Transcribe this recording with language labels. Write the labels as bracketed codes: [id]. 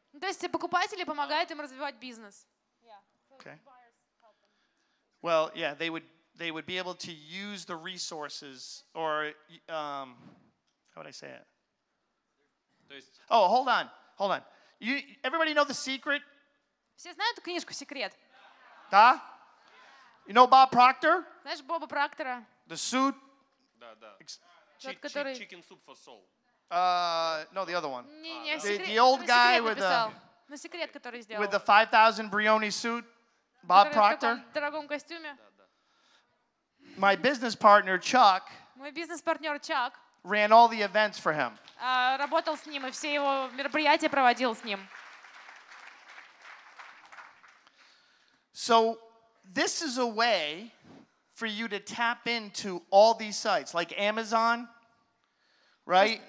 [ru] То есть покупатели помогают им развивать бизнес. [en] Okay. Well, yeah, they would be able to use the resources or, how would I say it? Oh, hold on. Everybody know The Secret? [ru] Все знают книжку «Секрет»? [en] Да? You know Bob Proctor? [ru] Знаешь Боба Проктора? [en] The suit? [ru] Да, да. [en] Chicken soup for soul. No, the other one. [ru] Не, [en] the old guy with the... [ru] На секрет, который сделал. [en] With the 5,000 Brioni suit? Bob Proctor? [ru] В дорогом костюме. [en] My business partner, Chuck... [ru] Мой бизнес-партнер, Чак... [en] Ran all the events for him. [ru] Работал с ним, и все его мероприятия проводил с ним. [en] So... This is a way for you to tap into all these sites, like Amazon, right?